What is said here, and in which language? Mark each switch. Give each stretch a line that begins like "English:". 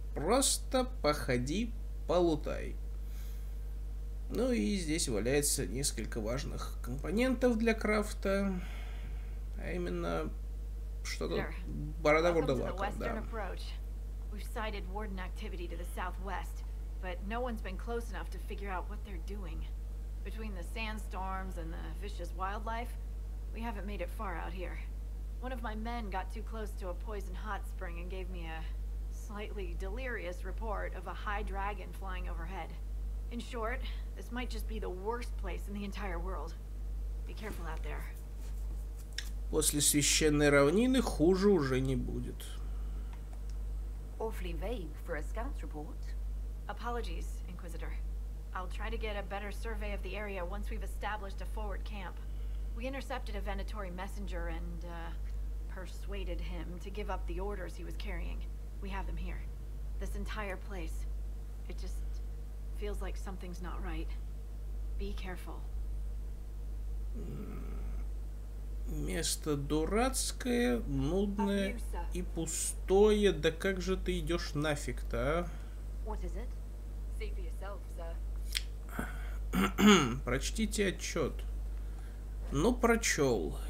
Russian: Просто походи, полутай. Ну и здесь валяется несколько важных компонентов для крафта. А именно, что-то бородовурдовака, да.
English: We haven't made it far out here. One of my men got too close to a poison hot spring and gave me a slightly delirious report of a high dragon flying overhead. In short, this might just be the worst place in the entire world. Be careful out there.
Russian: После священной равнины хуже уже не будет.
English: Awfully vague for a scout's report. Apologies, Inquisitor. I'll try to get a better survey of the area once we've established a forward camp. We intercepted a Venatori messenger and, persuaded him to give up the orders he was carrying. We have them here. This entire place. It just feels like something's not right. Be careful.
Russian: Место дурацкое, нудное и пустое. Да как же ты идешь нафиг-то, а?
English: What is it? See for yourself, sir.
Russian: Прочтите отчет. Ну, прочел.